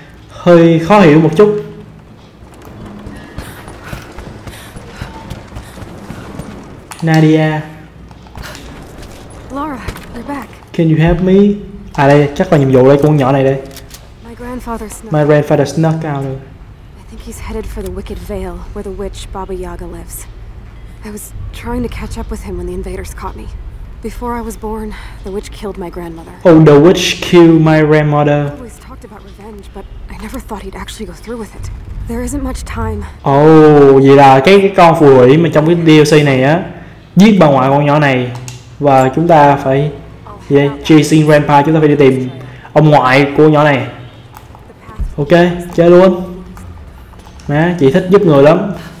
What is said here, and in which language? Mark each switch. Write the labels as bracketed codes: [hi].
[vi] Hơi khó hiểu một chút. Nadia. [en] Laura, you're back. Can you help me? [vi] À đây, chắc là nhiệm vụ đây, con nhỏ này đây. [en] My grandfather snuck out. I think he's headed for the Wicked Vale, where the witch Baba Yaga lives. I was trying to catch up with him when the invaders caught me. Before I was born, the witch killed my grandmother. Oh, the witch killed my grandmother. I always talked about revenge, but I never thought he'd actually go through with it. There isn't much time. [vi] Oh, vậy là cái con phù thủy mà trong cái DLC này á, giết bà ngoại con nhỏ này, và chúng ta phải [en] chasing grandpa, [vi] chúng ta phải đi tìm ông ngoại của nhỏ này. Ok, chơi luôn. Má, chị thích giúp người lắm.